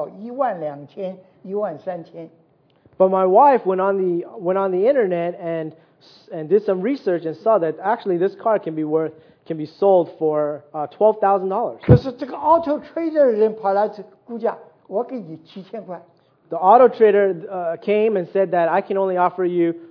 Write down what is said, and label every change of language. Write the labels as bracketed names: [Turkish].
[Chinese] 我太太上网说这个车子可以卖到12,000, 13,000. [English] But my wife went on the internet and did some research and saw that actually this car can be sold for $12,000. [Chinese] 可是这个 Auto Trader 人跑来估价，我给你7,000块。 [English] The auto trader came and said that I can only offer you